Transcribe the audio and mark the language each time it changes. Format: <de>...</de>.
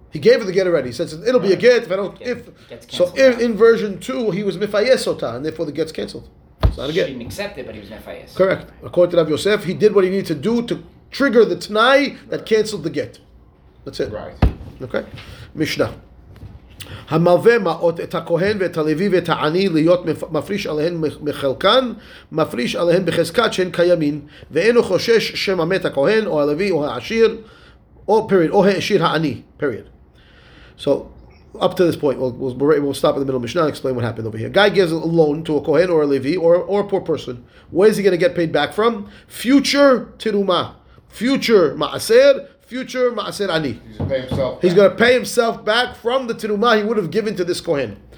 <en>He gave her the get already. He says it'll be a get if I don't. If so, in version two, he was mifayes ota, and therefore the get's canceled. It's not a get. She didn't accept it, but he was mifayes. Correct. According to Rav Yosef, he did what he needed to do to trigger the tnai that canceled the get. That's it. Right. Okay. Mishnah.</en> <he>המלווה מאות את הכהן ואת הלוי ואת העני להיות מפריש עליהן מחלקן, מפריש עליהן בחזקת שהן קיימין, ואינו חושש שמא מת הכהן או הלוי או העשיר, או period, או העשיר העני, period.</he> <en>So, up to this point, we'll stop in the middle of Mishnah and explain what happened over here. Guy gives a loan to a kohen or a levi or a poor person. Where is he going to get paid back from? Future tiruma, future ma'aser, future ma'aser ani. He's going to pay himself back from the tiruma he would have given to this kohen.</en>